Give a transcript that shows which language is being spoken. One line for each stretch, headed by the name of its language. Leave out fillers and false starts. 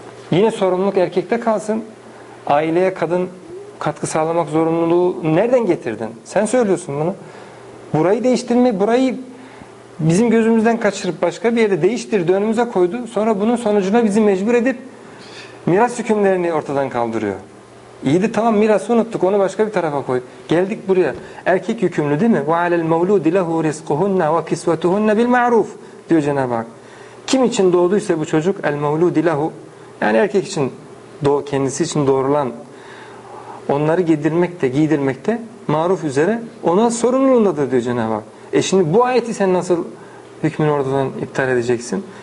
Turkish: Yine sorumluluk erkekte kalsın. Aileye kadın katkı sağlamak zorunluluğu nereden getirdin? Sen söylüyorsun bunu. Burayı değiştirme, burayı bizim gözümüzden kaçırıp başka bir yere değiştirdi, önümüze koydu. Sonra bunun sonucuna bizi mecbur edip miras hükümlerini ortadan kaldırıyor. İyi de tamam, mirası unuttuk, onu başka bir tarafa koy. Geldik buraya. Erkek yükümlü değil mi?
Arabic: وَعَلَى الْمَوْلُودِ لَهُ رِزْقُهُنَّ وَكِسْوَتُهُنَّ بِالْمَعْرُوفِ
Turkish: diyor Cenab-ı Hak. Kim için doğduysa bu çocuk,
Arabic: الْمَوْلُودِ لَهُ,
Turkish: yani erkek için, kendisi için doğrulan, onları giydirmekte, giydirmekte maruf üzere ona sorumluluğundadır diyor Cenab-ı Hak. E şimdi bu ayeti sen nasıl hükmünü oradan iptal edeceksin?